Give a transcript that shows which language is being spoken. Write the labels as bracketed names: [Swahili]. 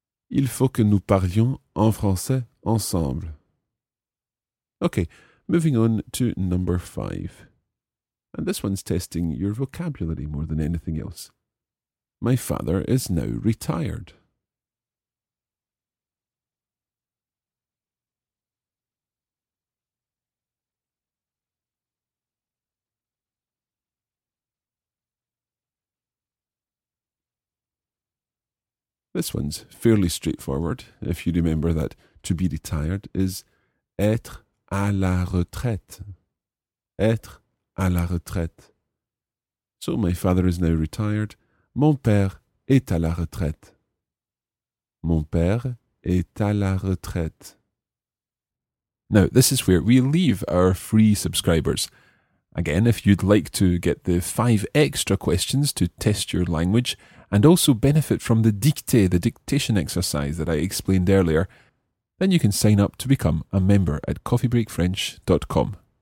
[French] Il faut que nous parlions en français ensemble. [English] Okay, moving on to number 5. And this one's testing your vocabulary more than anything else. My father is now retired. This one's fairly straightforward, if you remember that to be retired is [French] être à la retraite. Être à la retraite. [English] So my father is now retired. [French] Mon père est à la retraite. Mon père est à la retraite. [English] Now, this is where we leave our free subscribers. Again, if you'd like to get the 5 extra questions to test your language and also benefit from the dictée, the dictation exercise that I explained earlier, then you can sign up to become a member at coffeebreakfrench.com.